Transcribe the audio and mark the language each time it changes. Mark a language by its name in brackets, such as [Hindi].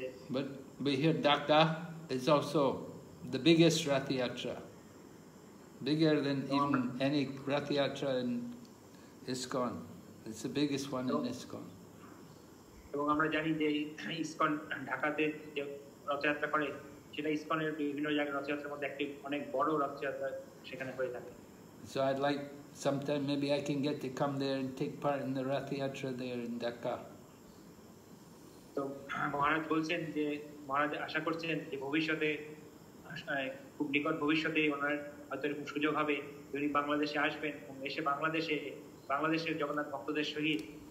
[English] But we hear Dhaka is also the biggest Ratha Yatra, bigger than even any Ratha Yatra in ISKCON. It's the biggest one in ISKCON. [Bangla] এবং আমরা জানি যে ISKCON ঢাকাতে যে রথযাত্রা করে সেটা ইসকনের বিভিন্ন জায়গায় রথযাত্রার মধ্যে একটি অনেক বড় রথযাত্রা সেখানে হয়ে থাকে. [English] So I'd like sometime maybe I can get to come there and take part in the Ratha Yatra there in Dhaka. [Bangla] তো মহারাজ বলছেন যে মহারাজ আশা করছেন যে ভবিষ্যতে খুব নিকট ভবিষ্যতে ওনার হয়তো এরকম সুযোগ হবে যদি বাংলাদেশে আসবেন এবং এসে বাংলাদেশে বাংলাদেশের জগন্নাথ ভক্তদের সহিত